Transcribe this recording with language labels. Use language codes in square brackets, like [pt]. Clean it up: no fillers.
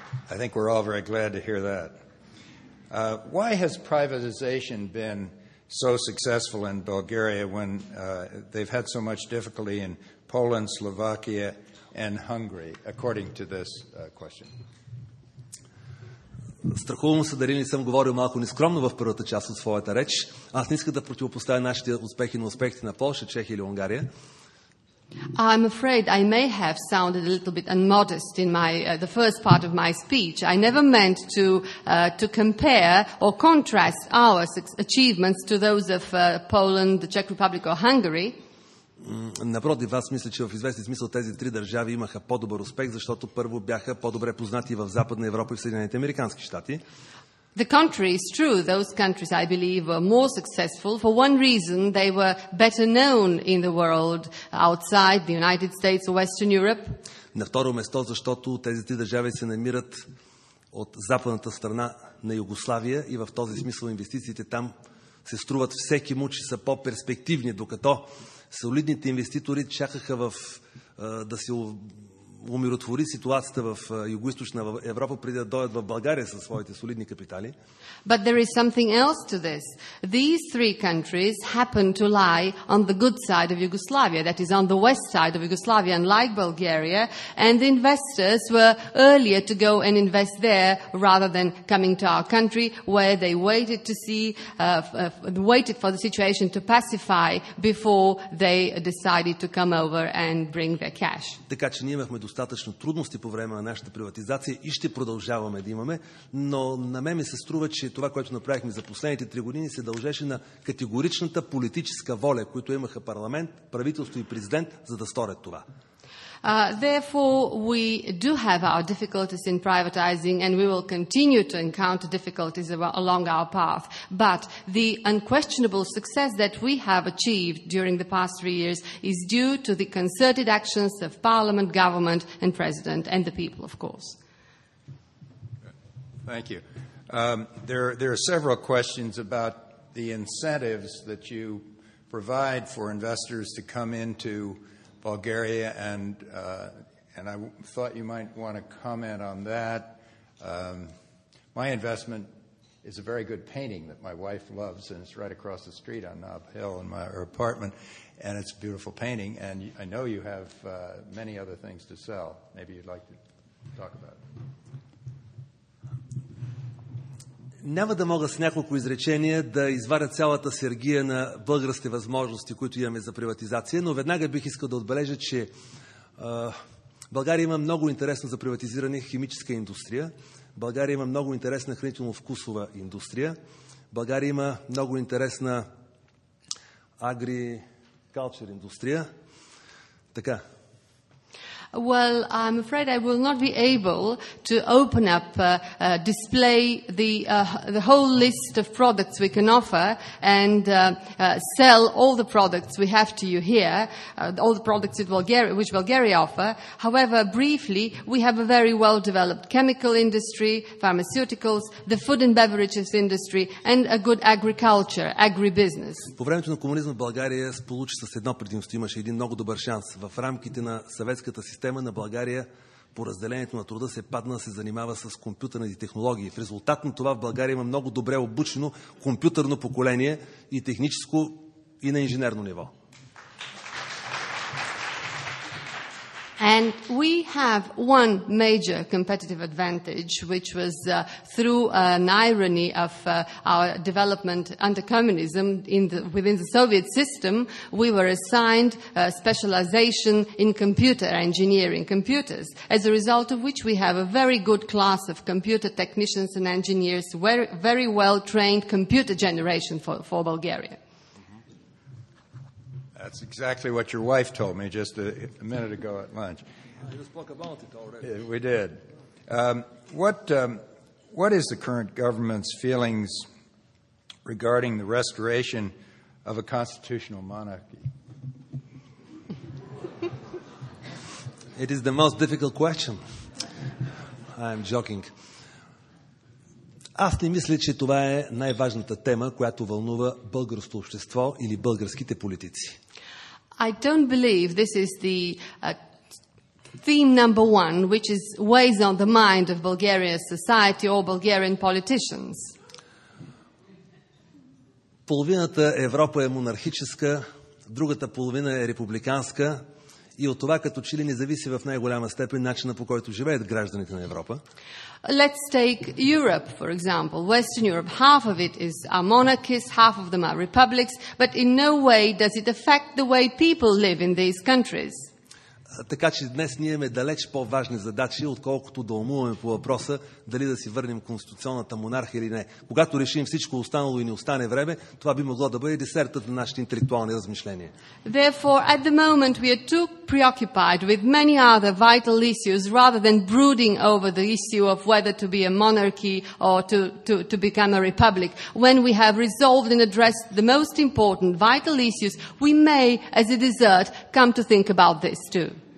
[en] I think we're all very glad to hear that. Why has privatization been so successful in Bulgaria when they've had so much difficulty in Poland, Slovakia, and Hungary, according to this question? [bg] Страхувам се, дали не съм говорил малко нескромно в първата част от своята реч. Аз не исках да противопоставя нашите успехи на успехите на Полша, Чехия или Унгария. [en] I'm afraid I may have sounded a little bit unmodest in my the first part of my speech. I never meant to compare or contrast our achievements to those of Poland, the Czech Republic or Hungary. [bg] Напротив, аз мисля, че в известен смисъл тези три държави имаха по-добър успех, защото първо бяха по-добре познати в Западна Европа и в Съединените Американски щати. [en] The country is true. Those countries, I believe, were more successful. For one reason, they were better known in the world outside the United States or Western Europe. [bg] На второ место, защото тези три държави се намират от западната страна на Югославия и в този смисъл инвестициите там се струват всеки му, че са по-перспективни, докато солидните инвеститори чакаха в, да се умиротвори ситуацията в Югоизточна Европа преди да дойдат в България със своите солидни капитали. [en] But there is something else to this. These three countries happen to lie on the good side of Yugoslavia, that is on the west side of Yugoslavia, unlike Bulgaria, and the investors were earlier to go and invest there rather than coming to our country, where they waited to see, waited for the situation to pacify before they decided to come over and bring their cash. [bg] Така че ние имахме достатъчно трудности по време на нашата приватизация и ще продължаваме да имаме, но на мен ми се струва, че това, което направихме за последните три години, се дължеше на категоричната политическа воля, която имаха парламент, правителство и президент, за да сторят това. [en] Therefore, we do have our difficulties in privatizing and we will continue to encounter difficulties along our path. But the unquestionable success that we have achieved during the past 3 years is due to the concerted actions of parliament, government and president and the people, of course. Thank you. There are several questions about the incentives that you provide for investors to come into Bulgaria, and I thought you might want to comment on that. My investment is a very good painting that my wife loves, and it's right across the street on Knob Hill in my her apartment, and it's a beautiful painting, and I know you have many other things to sell. Maybe you'd like to talk about it. [bg] Няма да мога с няколко изречения да изваря цялата сергия на българските възможности, които имаме за приватизация, но веднага бих искал да отбележа, че България има много интересно за приватизиране химическа индустрия, България има много интересна хранително-вкусова индустрия, България има много интересна агрикалчер индустрия. Така. [en] Well, I'm afraid I will not be able to open up, display the whole list of products we can offer and sell all the products we have to you here, all the products in Bulgaria, which Bulgaria offer. However, briefly, we have a very well-developed chemical industry, pharmaceuticals, the food and beverages industry, and a good agriculture, agribusiness. [bg] По времето на комунизма България получи с едно предимство, имаше един много добър шанс в рамките на съветската система. На България по разделението на труда се падна, се занимава с компютърни технологии. В резултат на това в България има много добре обучено компютърно поколение и техническо и на инженерно ниво. [en] And we have one major competitive advantage, which was through an irony of our development under communism within the Soviet system, we were assigned a specialization in computer engineering, computers, as a result of which we have a very good class of computer technicians and engineers, very, very well-trained computer generation for Bulgaria. That's exactly what your wife told me just a minute ago at lunch. We just spoke about it already. Yeah, we did. What is the current government's feelings regarding the restoration of a constitutional monarchy? It is the most difficult question. I am joking. [bg] Аз не мисля, че това е най-важната тема, която вълнува българското общество или българските политици. [en] I don't believe this is the theme number one, which is weighs on the mind of Bulgarian society or Bulgarian politicians. [bg] Половината Европа е монархическа, другата половина е републиканска и от това като че ли не зависи в най-голяма степен начина по който живеят гражданите на Европа. [en] Let's take Europe, for example, Western Europe. Half of it is are monarchies, half of them are republics, but in no way does it affect the way people live in these countries. [bg] Така че днес ние имаме далеч по-важни задачи, отколкото да умуваме по въпроса дали да си върнем конституционната монархия или не. Когато решим всичко останало и не остане време, това би могло да бъде десертът на нашите интелектуални размишления. [en] Therefore, at the moment we are too preoccupied with many other vital issues rather than brooding over the issue of whether to be a monarchy or to become a republic. When we have resolved and addressed the most important vital issues, we may, as a dessert, come to think about this too.